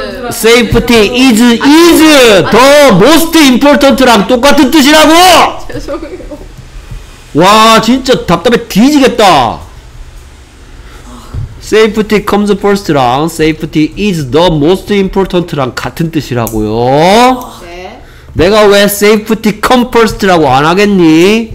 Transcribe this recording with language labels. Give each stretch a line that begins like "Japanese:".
English: Safety is the most important랑
Korean: 똑같은 뜻이라고! 죄송해요. 와, 진짜 답답해 뒤지겠다.
English: Safety comes first랑 safety is the most important랑
Korean: 같은 뜻이라고요. 네. 내가 왜
English: safety come first
Korean: 라고 안 하겠니?